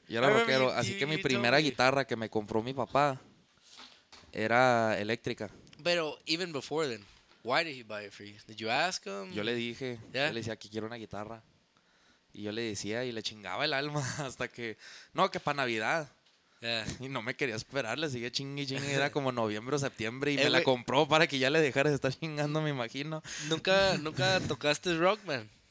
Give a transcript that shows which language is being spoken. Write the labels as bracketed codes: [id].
[es] Yo era rockero, así que mi primera guitarra que me compró mi papá era eléctrica. Pero [en] even before then, why did he buy it for you? Did you ask him? [es] Yo le dije, yeah. Yo le decía que quiero una guitarra. Y yo le decía y le chingaba el alma hasta que, no, que para Navidad. [en] Yeah. [es] Y no me quería esperar, le seguía chingui chingui. Era como noviembre o septiembre y me la compró para que ya le dejara de estar chingando, me imagino. ¿Nunca tocaste rock band?